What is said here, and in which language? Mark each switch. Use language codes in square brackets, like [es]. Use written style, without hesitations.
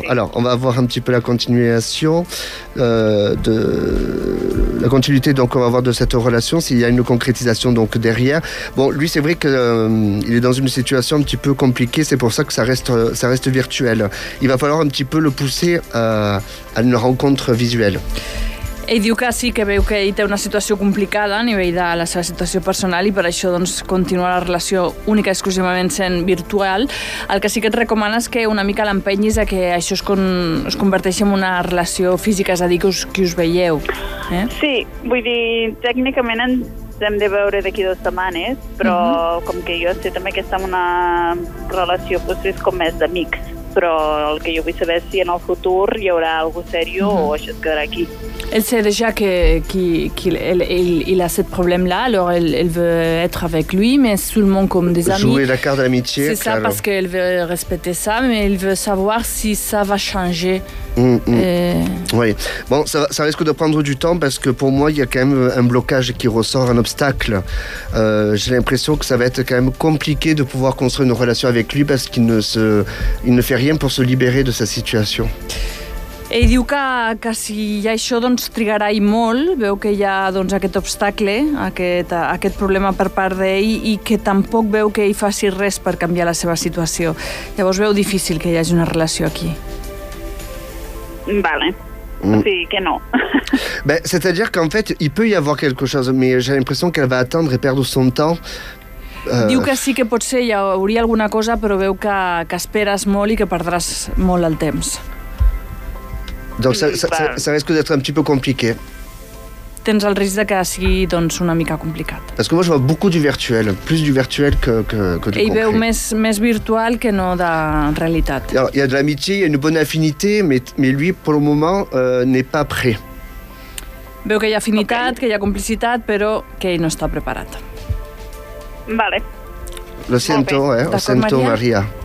[fr] Alors, on va voir un petit peu la continuation de... La continuité, donc, on va voir de cette relation, s'il y a une concrétisation, donc, derrière. Bon, lui, c'est vrai qu'il est dans une situation un petit peu compliquée, c'est pour ça que ça reste virtuel. Il va falloir un petit peu le pousser à une rencontre visuelle. [ca] Ell diu que sí, que veu que ell té una situació complicada a nivell de la seva situació personal i per això doncs, continua la relació única i exclusivament sent virtual. El que sí que et recomana és que una mica l'empenyis a que això es converteixi en una relació física, és a dir, que us veieu. Sí, vull dir, tècnicament ens hem de veure d'aquí dues setmanes, però com que jo sé també que està en una relació doncs com més d'amics, però el que jo vull saber és si en el futur hi haurà algo sèrio o això es quedarà aquí. [fr] Elle sait déjà qu'il a ce problème-là, alors elle veut être avec lui, mais seulement comme des amis. Jouer la carte d'amitié, c'est [es] claro. [fr] Ça, parce qu'elle veut respecter ça, mais elle veut savoir si ça va changer. Oui. Bon, ça risque de prendre du temps, parce que pour moi, il y a quand même un blocage qui ressort, un obstacle. J'ai l'impression que ça va être quand même compliqué de pouvoir construire une relation avec lui, parce qu'il ne fait rien pour se libérer de sa situation. [ca] Ell diu que si hi ha això, doncs trigarà i molt. Veu que hi ha doncs, aquest obstacle, aquest problema per part d'ell i que tampoc veu que ell faci res per canviar la seva situació. Llavors veu difícil que hi hagi una relació aquí. Vale. Sí, que no. [fr] Ben, c'est-à-dire qu'en fait, il peut y avoir quelque chose, mais j'ai l'impression qu'elle va attendre et perdre son temps. [ca] Diu que sí que potser hi hauria alguna cosa, però veu que esperes molt i que perdràs molt el temps. [fr] Doncs ça risque d'être un petit peu compliqué. [ca] Tens el risc de que sigui doncs, una mica complicat. [fr] Parce que moi je vois beaucoup du virtuel, plus du virtuel que du concret. [ca] Ell veu més virtual que no de realitat. [fr] Alors, il y a de l'amitié, il y a une bonne affinité, mais lui, pour le moment, n'est pas prêt. [ca] Veu que hi ha afinitat, okay. Que hi ha complicitat, però que ell no està preparat. Vale. [es] Lo siento, lo siento, María.